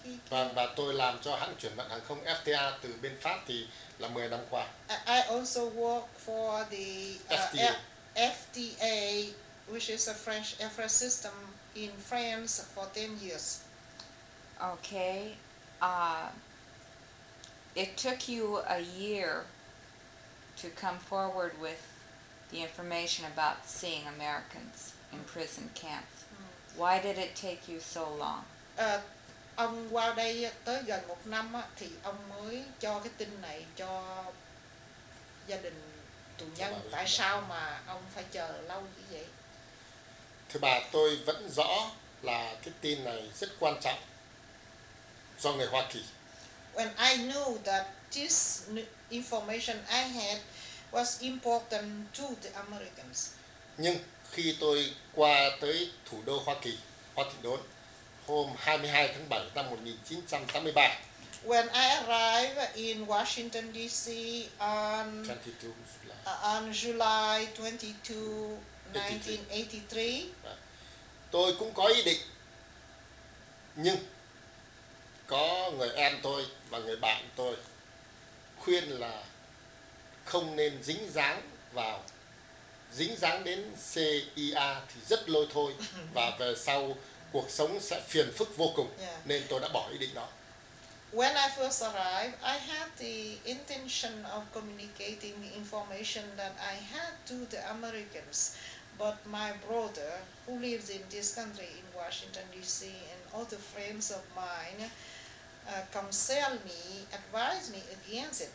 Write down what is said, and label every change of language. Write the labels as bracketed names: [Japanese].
[Vietnamese] và tôi làm cho hãng chuyển vận hàng không FTA từ bên Pháp thì là 10 năm qua. [English] I also work for the FTA, which is a French air freight system in France for 10 years. Okay. It took you a year to come forward with the information about seeing Americans in prison camps. Why did it take you so long? [Vietnamese] Ông qua đây tới gần một năm á, thì ông mới cho cái tin này cho gia đình tù nhân. Tại sao mà ông phải chờ lâu như vậy? Thưa bà, tôi vẫn rõ là cái tin này rất quan trọng do người Hoa Kỳ. [English] When I knew that this information I had was important to the Americans. [Vietnamese] Nhưng khi tôi qua tới thủ đô Hoa Kỳ, Washington, hôm 22 tháng 7 năm 1983. [English] When I arrived in Washington D.C. on July 22, 1983. [Vietnamese] Tôi cũng có ý định, nhưng có người em tôi và người bạn tôi khuyên là không nên dính dáng vào, dính dáng đến CIA thì rất lôi thôi và về sau cuộc sống sẽ phiền phức vô cùng, nên tôi đã bỏ ý định đó. [English] When I first arrived, I had the intention of communicating the information that I had to the Americans. But my brother, who lives in this country, in Washington, D.C., and other friends of mine, counsel me, advise me against it.